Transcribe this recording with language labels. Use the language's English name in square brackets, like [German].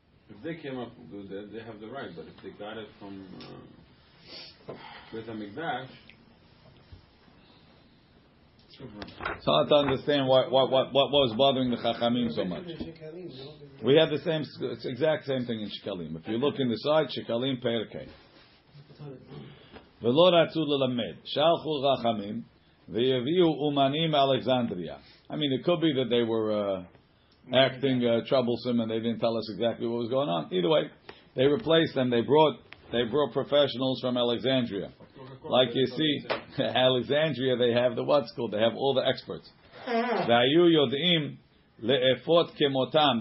[English] If they came up, they have the right. But if they got it from Beit HaMikdash, it's hard to understand what was bothering the Chachamim so much. We had the same, it's exact same thing in Shekalim. If you look in the side, Shekalim Perkei. [Hebrew] ולא רצו ללמד. שלחו חכמים ויביאו אומנים אלכסנדריה. [English] I mean, it could be that they were acting troublesome and they didn't tell us exactly what was going on. Either way, they replaced them. They brought professionals from Alexandria. Like you see, Alexandria, they have the what's called? They have all the experts. [Hebrew] V'ayu yodim le'efot kemotam.